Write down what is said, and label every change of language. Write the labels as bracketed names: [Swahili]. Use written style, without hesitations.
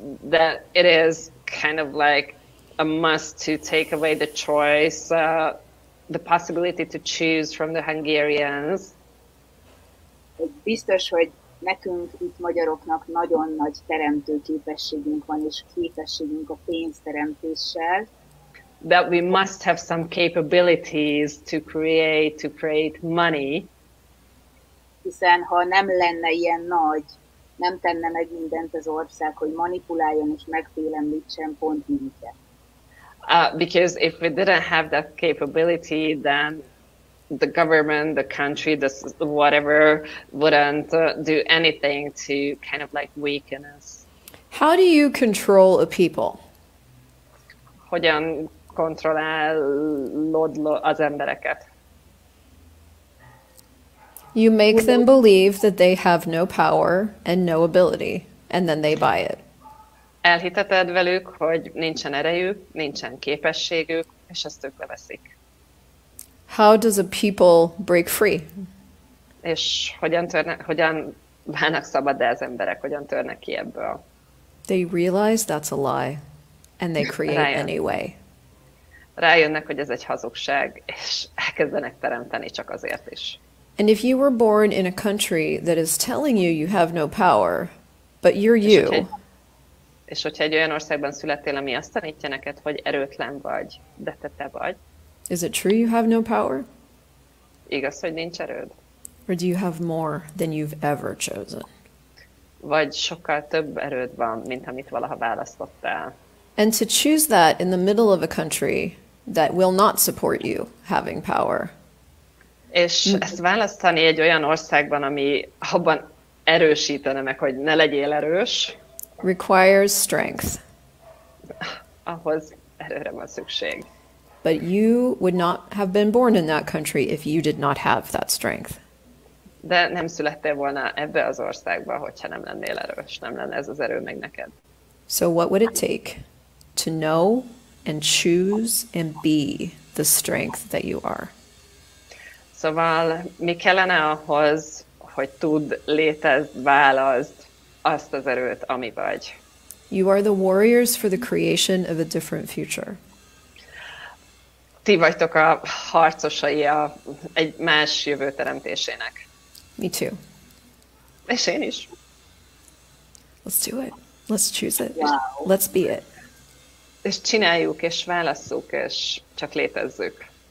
[English] That it is kind of like a must to take away the choice, the possibility to choose from the Hungarians. [Hungarian] Biztos, hogy nekünk itt magyaroknak nagyon nagy teremtő képességünk van, és képességünk a pénzteremtéssel. [English] That we must have some capabilities to create money. [Hungarian] Hiszen ha nem lenne ilyen nagy, nem tenne meg mindent az ország, hogy manipuláljon és megfélemlítsen pont minket. [English] Because if we didn't have that capability, then the government, the country, this whatever, wouldn't do anything to kind of like weaken us. How do you control a people? [Hungarian] Hogyan kontrollálod az embereket? [English] You make them believe that they have no power and no ability, and then they buy it. [Hungarian] Elhiteted velük, hogy nincsen erejük, nincsen képességük, és ezt ők leveszik. [English] How does a people break free? [Hungarian] És hogyan válnak szabad, de az emberek hogyan törnek ki ebből. [English] They realize that's a lie, and they create anyway. [Hungarian] Rájönnek, hogy ez egy hazugság, és elkezdenek teremteni csak azért is. [English] And if you were born in a country that is telling you you have no power, but you're you. [Hungarian] És hogyha egy olyan országban születtél, ami azt tanítja neked, hogy erőtlen vagy, de te vagy. [English] Is it true you have no power? [Hungarian] Igaz, hogy nincs erőd? [English] Or do you have more than you've ever chosen? [Hungarian] Vagy sokkal több erőd van, mint amit valaha választottál. [English] And to choose that in the middle of a country that will not support you having power. [Hungarian] És ezt választani egy olyan országban, ami abban erősítene meg, hogy ne legyél erős. [English] Requires strength. [Hungarian] Ahhoz erőre van szükség. [English] But you would not have been born in that country if you did not have that strength. [Hungarian] De nem születtél volna ebbe az országba, hogyha nem lennél erős, nem lenne ez az erő meg neked. [English] So what would it take to know and choose and be the strength that you are? [Hungarian] Szóval mi kellene ahhoz, hogy tud létezd, válaszd azt az erőt, ami vagy? [English] You are the warriors for the creation of a different future. [Hungarian] Ti vagytok a harcosai a egy más jövő teremtésének. [English] Me too. [Hungarian] És én is. [English] Let's do it. Let's choose it. Wow. Let's be it. [Hungarian] És csináljuk, és válasszuk, és csak létezzük.